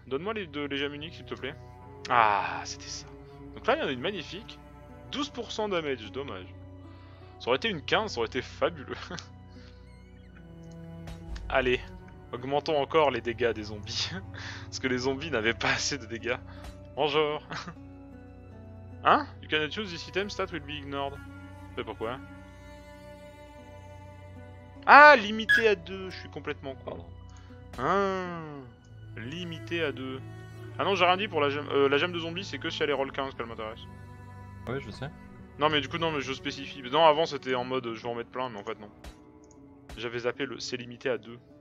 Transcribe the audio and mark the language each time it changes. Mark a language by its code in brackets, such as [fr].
[fr] Donne-moi les deux légers munis, s'il te plaît. Ah, c'était ça. Donc là, il y en a une magnifique. 12% damage, dommage. Ça aurait été une 15, ça aurait été fabuleux. Allez, augmentons encore les dégâts des zombies. Parce que les zombies n'avaient pas assez de dégâts. Bonjour. Hein? [en] You cannot choose this item, stat will be ignored. [fr] Mais pourquoi? Ah, limité à 2, je suis complètement con. Hein? Limité à 2. Ah non, j'ai rien dit pour la gemme. La gemme de zombie, c'est que si elle est roll 15 qu'elle m'intéresse. Ouais, je sais. Non, mais du coup, non, mais je spécifie. Non, avant c'était en mode je vais en mettre plein, mais en fait, non. J'avais zappé le c'est limité à 2.